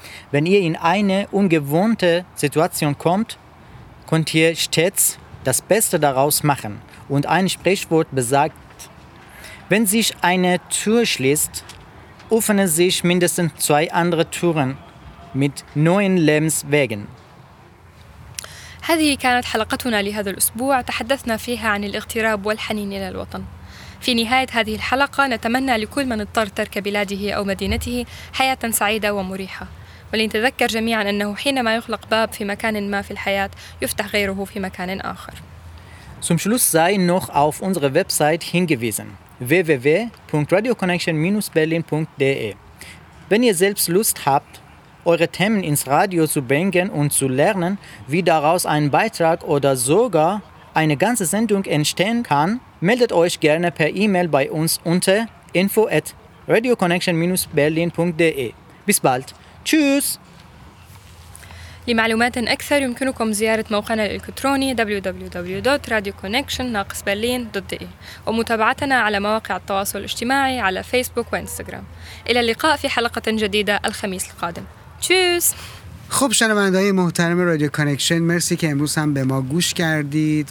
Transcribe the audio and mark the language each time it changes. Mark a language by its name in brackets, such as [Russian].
[German] Wenn ihr in eine ungewohnte Situation kommt, könnt ihr stets das Beste daraus machen. Und ein Sprichwort besagt, wenn sich eine Tür schließt, öffnen sich mindestens zwei andere Türen mit neuen Lebenswegen. [Arabic] هذه كانت حلقتنا لهذا الأسبوع، تحدثنا فيها عن الاغتراب والحنين إلى الوطن. في نهاية هذه الحلقة نتمنى لكل من اضطر ترك بلاده أو مدينته حياة سعيدة ومريحة، ولنتذكر جميعا أنه حينما يخلق باب في مكان ما في الحياة يفتح غيره في مكان آخر. [German] Zum Schluss sei noch auf unsere Website hingewiesen: www.radioconnection-berlin.de. Wenn ihr selbst Lust habt, eure Themen ins Radio zu bringen und zu lernen, wie daraus ein Beitrag oder sogar eine ganze Sendung entstehen kann, meldet euch gerne per E-Mail bei uns unter info@radioconnection-berlin.de. Bis bald. Tschüss! [Arabic] لمعلومات أكثر يمكنكم زيارة موقعنا الإلكتروني www.radioconnection-berlin.de ومتابعتنا على مواقع التواصل الاجتماعي على فيسبوك وإنستغرام. إلى اللقاء في حلقة جديدة الخميس القادم. [German] تشوس. [Persian] خب شنوندهای محترم رادیو کانکشن، مرسی که امروز هم به ما گوش کردید.